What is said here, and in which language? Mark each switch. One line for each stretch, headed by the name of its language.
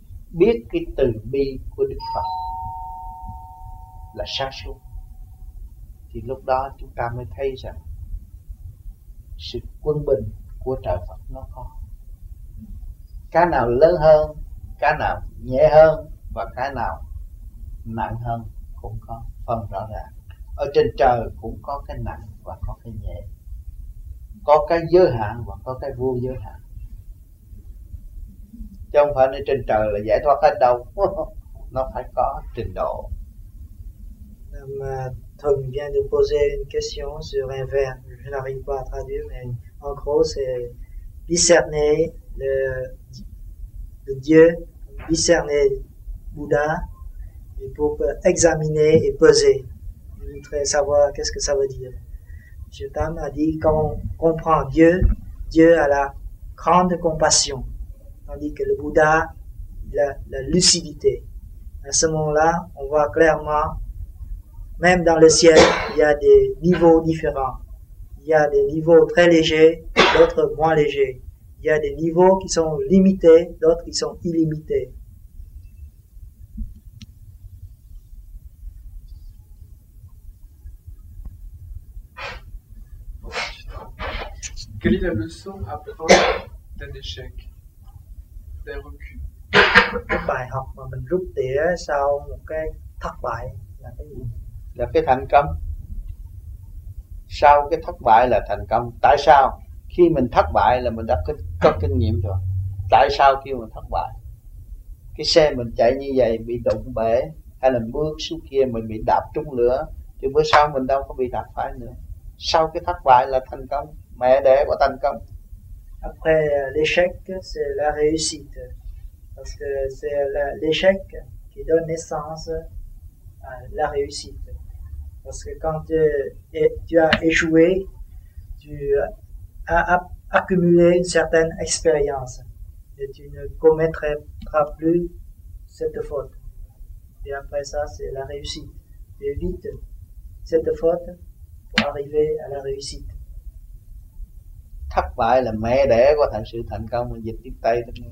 Vietnamese: Biết cái từ bi của Đức Phật là sáng suốt, thì lúc đó chúng ta mới thấy rằng sự quân bình của trời Phật nó có cái nào lớn hơn, cái nào nhẹ hơn và cái nào nặng hơn cũng có phần rõ ràng. Ở trên trời cũng có cái nặng và có cái nhẹ, có cái giới hạn và có cái vô giới hạn, chứ không phải nơi trên trời là giải thoát hết đâu. Nó phải có trình độ.
French: Tom vient de poser une question sur un verbe, je n'arrive pas à traduire, mais en gros c'est discerner le Dieu, discerner Bouddha, et pour examiner et peser. Je voudrais savoir qu'est-ce que ça veut dire. M. Tam a dit, quand on comprend Dieu, Dieu a la grande compassion, tandis que le Bouddha il a la lucidité. À ce moment-là, on voit clairement. Même dans le ciel, il y a des niveaux différents. Il y a des niveaux très légers, d'autres moins légers. Il y a des niveaux qui sont limités, d'autres qui sont illimités. Quelle est la leçon à prendre d'un échec, d'un recul?
Vietnamese: Cái bài học mà mình rút tỉa sau một cái thất bại là cái gì? Là cái thành công. Sau cái thất bại là thành công. Tại sao? Khi mình thất bại là mình đã có kinh nghiệm rồi. Tại sao khi mình thất bại? Cái xe mình chạy như vậy bị đụng bể, hay là bước xuống kia mình bị đạp trúng lửa, thì bữa sau mình đâu có bị đạp phải nữa. Sau cái thất bại là thành công, mẹ đẻ của thành công.
French: Après l'échec, c'est la réussite. Parce que c'est l'échec qui donne naissance à la réussite. Parce que quand tu as échoué, tu as accumulé une certaine expérience et tu ne commettras plus cette faute. Et après ça, c'est la réussite. Tu évites cette faute pour arriver à la réussite.
Vietnamese: Thất bại là mẹ đẻ của thành sự thành công, mình dịch tiếng Tây.